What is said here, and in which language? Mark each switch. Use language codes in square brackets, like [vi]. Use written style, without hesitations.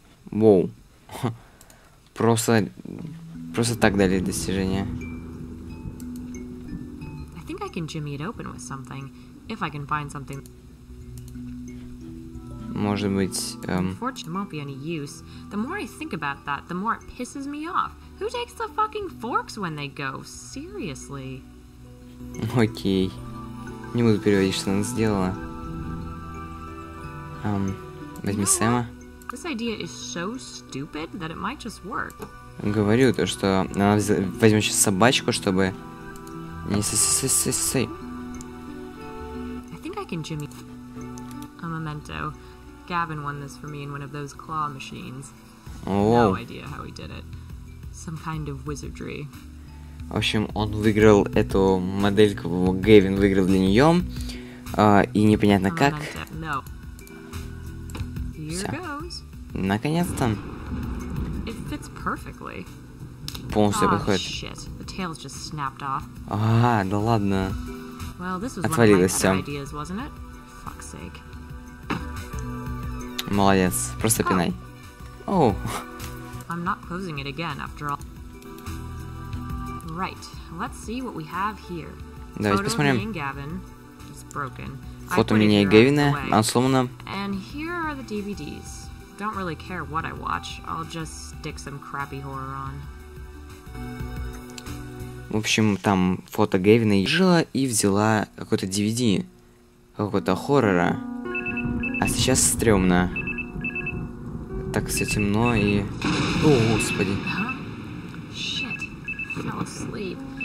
[ru] Воу. Просто так дали достижение. [en] I think I can jimmy it open with something, if I can find something. [ru] Может быть, [en] Fortune won't be any use. The more I think about that, the more it pisses me off. Who takes the fucking forks when they go? Seriously. [ru] Окей. Не буду переводить, что она сделала. Возьми Сэма. [en] This idea is so stupid that it might just work. [ru] Говорю то, что она возьмет сейчас собачку, чтобы не сы. [en] I think I can jimmy a memento. Gavin won this for me in one of those claw machines. Oh. No idea how he did it. Some kind of wizardry. [ru] В общем, он выиграл эту модельку, Гэвин выиграл для нее, и непонятно a как. [en] No. Here goes. [ru] Наконец-то. [en] It fits perfectly. [ru] Полностью подходит. [en] Shit. The tail's just snapped off. [ru] Ага, да ладно. [en] Well, this was [ru] отвалилось все. [en] Ideas, wasn't it? Fuck's sake. [ru] Молодец. Просто пинай. Oh. [en] I'm not closing it again, after all. Right. Let's see what we have here. [ru] Давайте посмотрим. [en] Gavin. It's broken. [ru] Фото меня и Гэвина, она сломана. [en] And here are the DVDs. Don't really care what I watch. I'll just stick some crappy horror on. [ru] В общем, там фото Гэвина жила и взяла какой-то DVD. Какого-то хоррора. А сейчас стрёмно. Так все темно и... О, господи. [en] Shit. Fell asleep.